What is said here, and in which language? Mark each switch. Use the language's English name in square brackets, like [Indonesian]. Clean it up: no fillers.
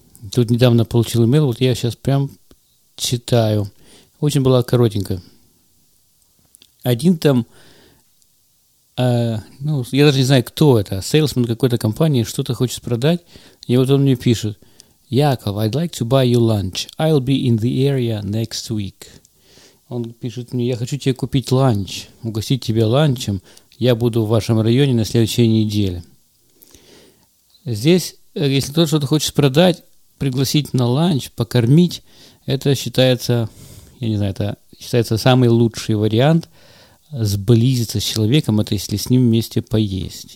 [Russian] Тут недавно получил имейл, вот я сейчас прям читаю. Очень была коротенькая. Один там, ну, я даже не знаю, кто это, сейлсмен какой-то компании, что-то хочет продать, и вот он мне пишет: «Яков, [English] I'd like to buy you lunch. I'll be in the area next week». [Russian] Он пишет мне: «Я хочу тебе купить ланч, угостить тебя ланчем. Я буду в вашем районе на следующей неделе». Здесь, если кто-то что-то хочет продать, пригласить на ланч, покормить, это считается, я не знаю, это считается самый лучший вариант сблизиться с человеком, это если с ним вместе поесть.